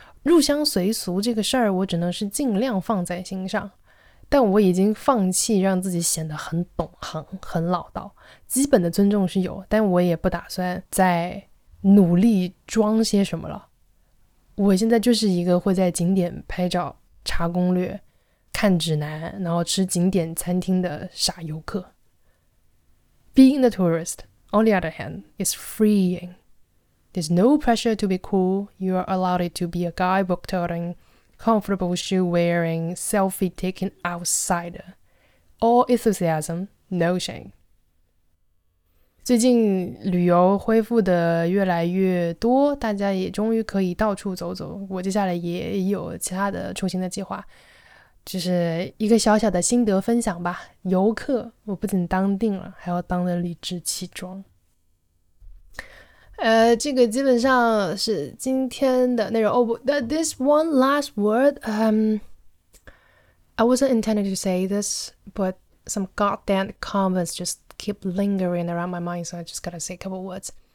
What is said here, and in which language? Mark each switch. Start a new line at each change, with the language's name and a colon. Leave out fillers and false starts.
Chinese: 入乡随俗这个事儿，我只能是尽量放在心上，但我已经放弃让自己显得很懂行、很老道。基本的尊重是有，但我也不打算再努力装些什么了。我现在就是一个会在景点拍照、查攻略、看指南，然后吃景点餐厅的傻游客。
English: Being the tourist, on the other hand, is freeing. There's no pressure to be cool. You are allowed it to be a guidebook touring, comfortable shoe wearing, selfie taken outsider. All enthusiasm, no shame.
Chinese: 最近旅游恢复的越来越多，大家也终于可以到处走走。我接下来也有其他的出行的计划。就是一个小小的心得分享吧，游客我不仅当定了，还要当得理直气壮。这个基本上是今天的内容。
English: This one last word, I wasn't intending to say this, but some goddamn comments just keep lingering around my mind, so I just gotta say a couple words.